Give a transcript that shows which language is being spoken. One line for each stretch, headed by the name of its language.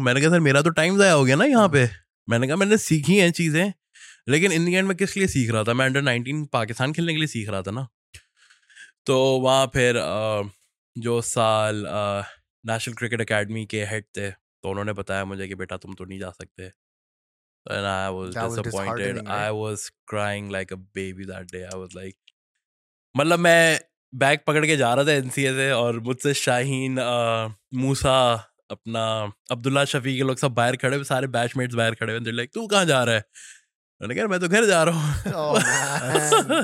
Hindi: मैंने कहा सर मेरा तो टाइम ज़ाया हो गया ना यहाँ पे. मैंने कहा मैंने सीखी हैं चीज़ें, लेकिन
English: in the end
Hindi: मैं किस लिए सीख रहा था? मैं अंडर 19 पाकिस्तान खेलने के लिए सीख रहा था ना. तो वहाँ फिर जो साल नेशनल क्रिकेट अकेडमी के हेड थे तो उन्होंने बताया मुझे कि बेटा तुम तो नहीं जा सकते.
English: And I was that disappointed. Right? I was crying like a baby that day. I was like,
Hindi: मतलब मैं बैग पकड़ के जा रहा था NCA से और मुझसे शाहीन, मूसा, अपना अब्दुल्ला शफी के लोग सब बाहर खड़े हुए, सारे बैचमेट्स बाहर खड़े हुए.
English: They're like,
Hindi: तू कहाँ जा रहा है? मैंने कहा मैं तो घर जा रहा हूँ.